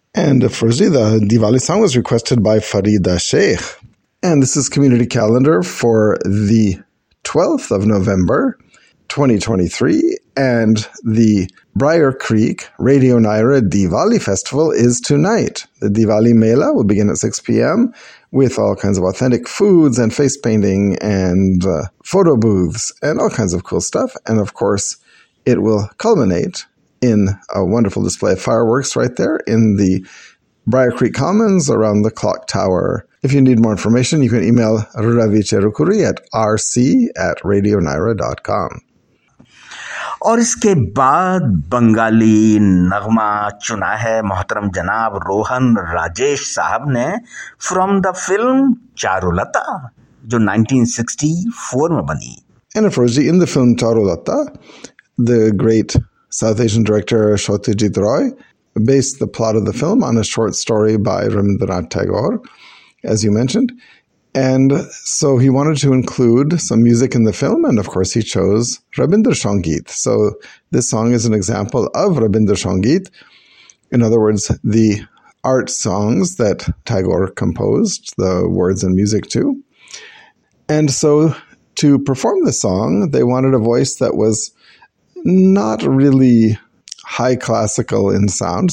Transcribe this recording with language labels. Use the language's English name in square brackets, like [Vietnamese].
[English] And फरजी the Diwali song was requested by Farida Sheikh and this is community calendar for the 12th of November 2023 and the Briar Creek Radio Nyra Diwali Festival is tonight. The Diwali Mela will begin at 6 p.m. with all kinds of authentic foods and face painting and photo booths and all kinds of cool stuff. And of course, it will culminate in a wonderful display of fireworks right there in the Briar Creek Commons around the clock tower. If you need more information, you can email Ravi Cherukuri at rc@radionyra.com. [Hindi] और इसके बाद बंगाली नगमा चुना है मोहतरम जनाब रोहन राजेश साहब ने [English] from the film [Hindi] Charulata जो 1964 में बनी। [English] And फ्रोजी in the film Charulata the great South Asian director Satyajit Ray based the plot of the film on a short story by Rabindranath Tagore as you mentioned And so he wanted to include some music in the film, and of course he chose Rabindrasangeet. So this song is an example of Rabindrasangeet. In other words, the art songs that Tagore composed, the words and music to. And so to perform the song, they wanted a voice that was not really high classical in sound.